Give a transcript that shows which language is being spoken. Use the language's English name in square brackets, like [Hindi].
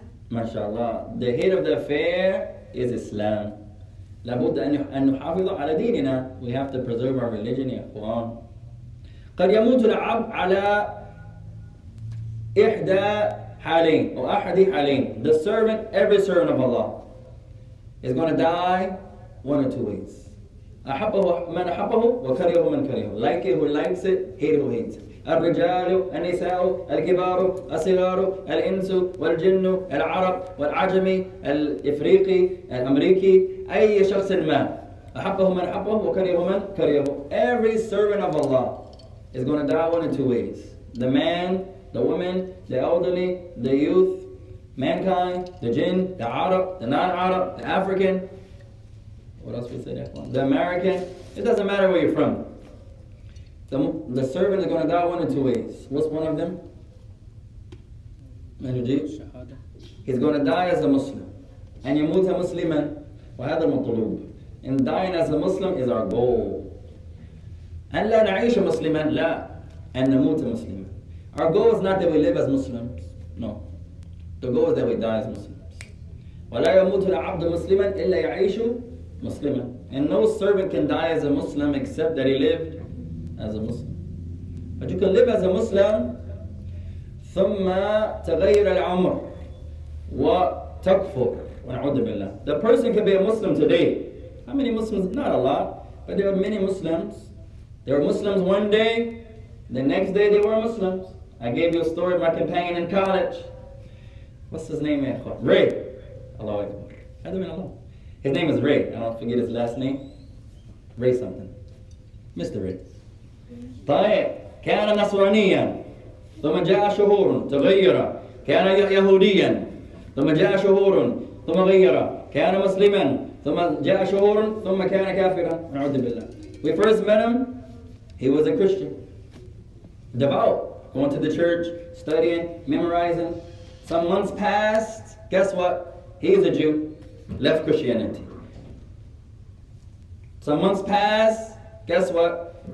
[English] MashaAllah. The head of the affair is Islam. [Arabic] لابد أن نحافظ على ديننا. [English] We have to preserve our religion, [Arabic] يا إخوان. قد يموت العبد على إحدى حالين أو أحدي حالين. [English] The servant, every servant of Allah, is going to die one or two ways. [Arabic] أحبه من أحبه وكرهه من كرهه. [English] Like it who likes it, hate who hates it. [Arabic] الرجال النساء الكبار الصغار الإنس والجن العرب والعجمي الإفريقي الأمريكي أي شخص ما أحبه من أحبه وكرهه من كرهه. [English] Every servant of Allah is going to die one of two ways. The man, the woman, the elderly, the youth, mankind, the jinn, the Arab, the non-Arab, the African. What else we said? The American. It doesn't matter where you're from. The servant is going to die one of two ways. What's one of them? He's going to die as a Muslim. And [Arabic] يموت مسلما وهذا المطلوب. [English] And dying as a Muslim is our goal. [Arabic] أن لا نعيش مسلما لا أن نموت مسلما. [English] Our goal is not that we live as Muslims. No. The goal is that we die as Muslims. [Arabic] ولا يموت العبد مسلما إلا يعيش مسلما. [English] And no servant can die as a Muslim except that he lived as a Muslim. But you can live as a Muslim [Arabic] ثم تغير العمر وتكفر ونعوذ بالله. [English] The person can be a Muslim today. How many Muslims? Not a lot. But there are many Muslims. There were Muslims one day, the next day they were Muslims. I gave you a story of my companion in college. What's his name? Ray. Allahu Akbar. Hadam in Allah. His name is Ray. I don't forget his last name. Ray something. Mr. Ray. [Arabic] طيب كان نصرانيا ثم جاء شهور تغير كان يهوديا ثم جاء شهور ثم غير كان مسلما ثم جاء شهور ثم كان كافرا نعوذ بالله. [English] We first met him, he was a Christian, devout, going to the church, studying, memorizing. Some months passed, guess what? He's a Jew, left Christianity. Some months passed, guess what?